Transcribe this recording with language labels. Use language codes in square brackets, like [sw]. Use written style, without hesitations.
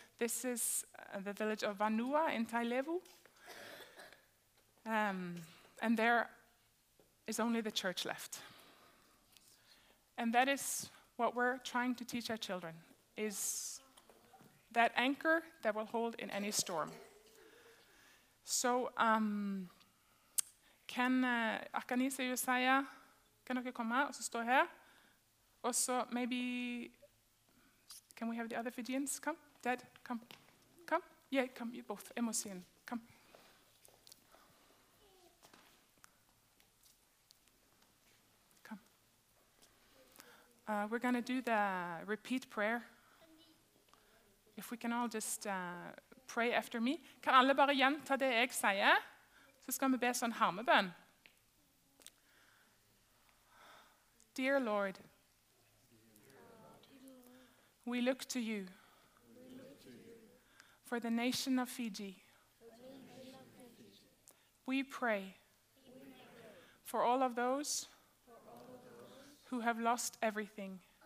[en] This is the village of Vanua in Tailevu. And there is only the church left. And that is what we're trying to teach our children, is that anchor that will hold in any storm. [no] So, kan Akanise og Josiah, kan dere komme her og stå her? [en] Also, maybe, can we have the other Fijians come? Dad, come. Come? Yeah, come, you both. Emosin, come. We're going to do the repeat prayer. If we can all just pray after me. [no] Kan alle bare gjenta det jeg sier? Så skal vi be sånn harmebønn. [en] Dear Lord, we look to you for the nation of Fiji. We pray for all of those who have lost everything.